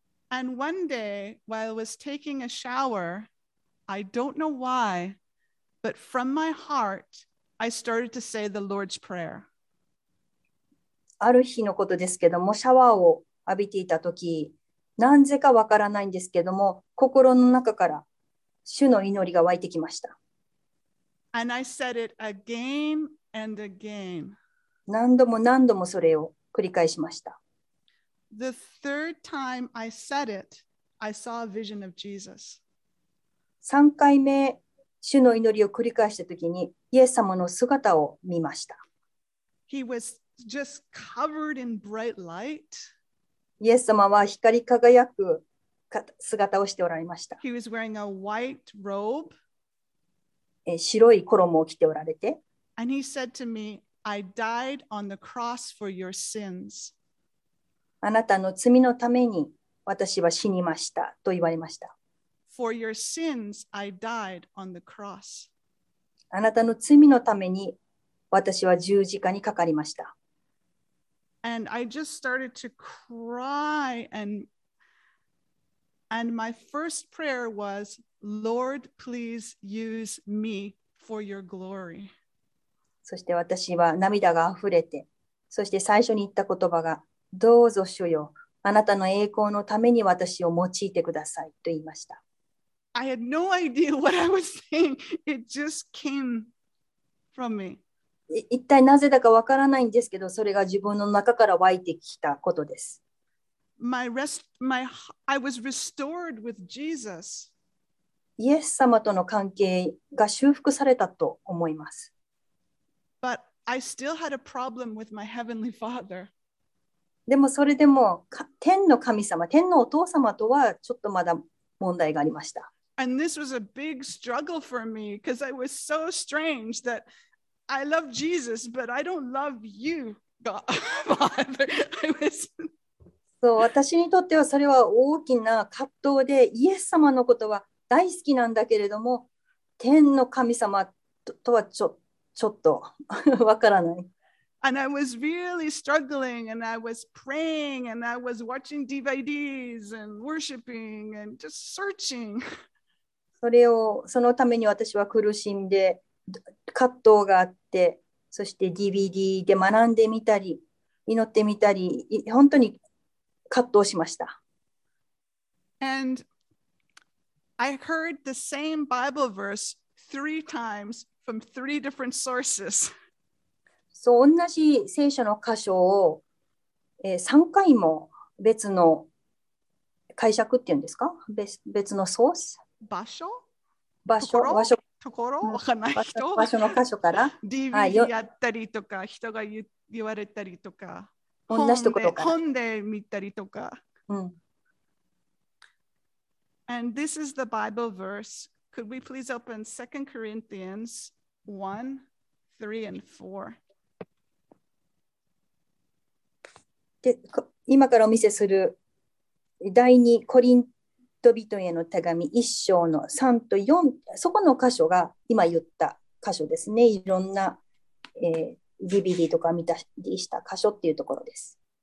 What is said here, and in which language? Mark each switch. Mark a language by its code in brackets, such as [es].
[en] And one day, while I was taking a shower, I don't know why, but from my heart, I started to say the Lord's Prayer. [ja] ある日のことですけども、シャワーを浴びていた時、何故かわからないんですけども、心の中から主の祈りが湧いてきました。 [en] And I said it again and again. [ja] 何度も何度もそれを繰り返しました。 [en] The third time I said it, I saw a vision of Jesus. [ja] 3回目、主の祈りを繰り返した時に、イエス様の姿を見ました。 [en] He was just covered in bright light. [ja] イエス様は光り輝く姿をしておられました。 [en] He was wearing a white robe. [ja] 白い衣を着ておられて。 [en] And he said to me, I died on the cross for your sins. [ja] あなたの罪のために私は死にましたと言われました。 [en] For your sins, I died on the cross. [ja] あなたの罪のために私は十字架にかかりました。 [en] And I just started to cry, and my first prayer was, Lord, please use me for your glory. [ja] そして私は涙があふれて、そして最初に言った言葉が、どうぞ主よ、あなたの栄光のために私を用いてくださいと言いました。 [en] I had no idea what I was saying. It just came from me. [ja] 一体なぜだかわからないんですけど、それが自分の中から湧いてきたことです。 [en] I was restored with Jesus. [ja] イエス様との関係が修復されたと思います。 [en] But I still had a problem with my heavenly father. [ja] でもそれでも天の神様、天のお父様とはちょっとまだ問題がありました。 [en] And this was a big struggle for me because I was so strange that I love Jesus, but I don't love you, God, Father. I was... [ja] そう、私にとってはそれは大きな葛藤で、イエス様のことは大好きなんだけれども、天の神様 とはちょっとわからない。 [en] And I was really struggling, and I was praying, and I was watching DVDs, and worshiping, and just searching. [ja] そのために私は苦しんで、葛藤があって、そして DVD で学んでみたり、祈ってみたり、本当に葛藤しました。 [en] And I heard the same Bible verse three times from three different sources. [ja] そう、同じ聖書の箇所を、3回も別の解釈っていうんですか、別のソース、場所場所ところ場所ところわかんない人、場所の箇所から DVやったりとか、人が言われたりとか、同じところから本で見たりとか、うん、 [en] And this is the Bible verse. Could we please open 2 Corinthians 1, 3 and 4? [ja] で今からお見せする第2コリント人への手紙1章の3と4、そこの箇所が今言った箇所ですね。いろんな、DVD とか見たりした箇所っていうところです。